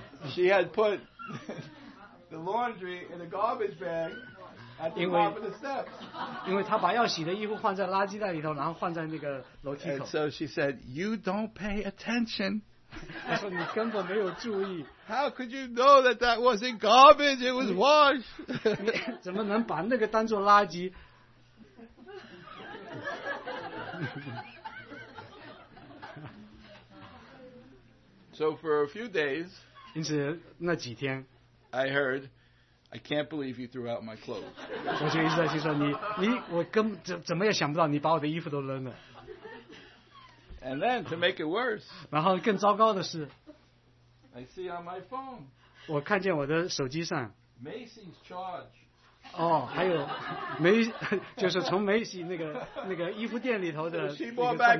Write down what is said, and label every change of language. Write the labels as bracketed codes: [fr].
[en] She had put the laundry in a garbage bag at the top of the steps. [zh] 因为她把要洗的衣服放在垃圾袋里头，然后放在那个楼梯口。 [en] And so she said, you don't pay attention. [zh] 她说你根本没有注意。 [en] How could you know that that wasn't garbage? It was washed. [zh] 你怎么能把那个当作垃圾？ [en] So for a few days, [zh] 因此那几天 [en] I heard, I can't believe you threw out my clothes. [zh] 我就一直在心说你我根本怎么也想不到你把我的衣服都扔了。 [en] And then to make it worse, [zh] 然后更糟糕的是 [en] I see on my phone, [zh] 我看见我的手机上 [en] Macy's charge. [zh] 还有梅，就是从梅西那个衣服店里头的那个账单。